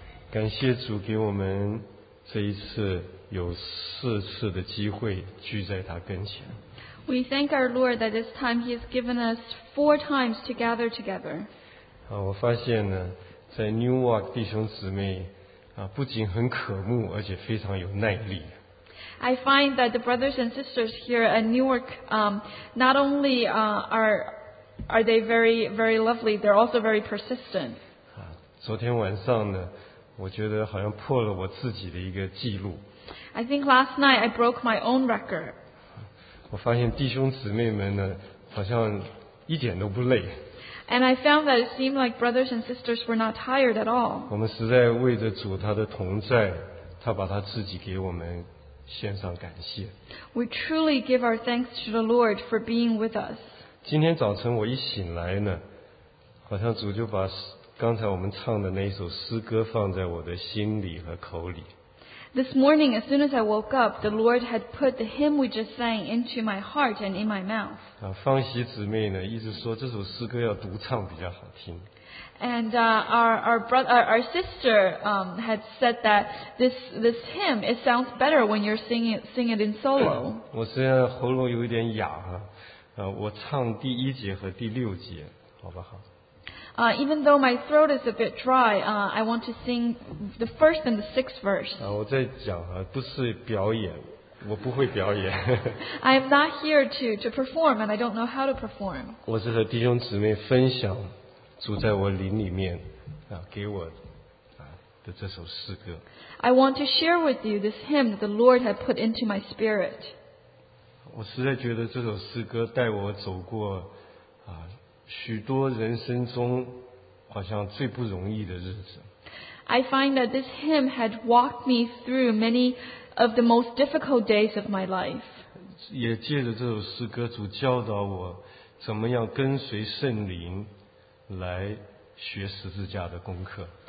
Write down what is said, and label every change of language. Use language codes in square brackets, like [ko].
[zh] 感谢主给我们这一次有四次的机会聚在他跟前。 [en] We thank our Lord that this time He has given us four times to gather together. [zh] 我发现呢，在 Newark 弟兄姊妹不仅很渴慕，而且非常有耐力。 [en] I find that the brothers and sisters here at Newark, not only are they very, very lovely, they're also very persistent. [zh] 昨天晚上呢，我觉得好像破了我自己的一个记录。 [en] I think last night I broke my own record. [zh] 我发现弟兄姊妹们呢，好像一点都不累。 [en] And I found that it seemed like brothers and sisters were not tired at all. [zh] 我们实在为着主他的同在，他把他自己给我们献上感谢。 [en] We truly give our thanks to the Lord for being with us. [zh] 今天早晨我一醒来呢，好像主就把刚才我们唱的那首诗歌放在我的心里和口里。 [en] This morning, as soon as I woke up, the Lord had put the hymn we just sang into my heart and in my mouth. [zh] 方喜姊妹呢，一直说这首诗歌要独唱比较好听。 [en] And our sister had said that this hymn it sounds better when you're singing it in solo. [zh] 我虽然喉咙有一点哑哈，我唱第一节和第六节，好不好？ [en] Even though my throat is a bit dry, I want to sing the first and the sixth verse. [zh] 我在讲啊，不是表演，我不会表演。 [en] I am not here to perform, and I don't know how to perform. [zh] 我是和弟兄姊妹分享主在我灵里面给我的这首诗歌。 [en] I want to share with you this hymn that the Lord had put into my spirit. [zh] 我实在觉得这首诗歌带我走过许多人生中好像最不容易的日子。 [en] I find that this hymn had walked me through many of the most difficult days of my life. [zh] 也借着这首诗歌，主教导我怎么样跟随圣灵来学十字架的功课。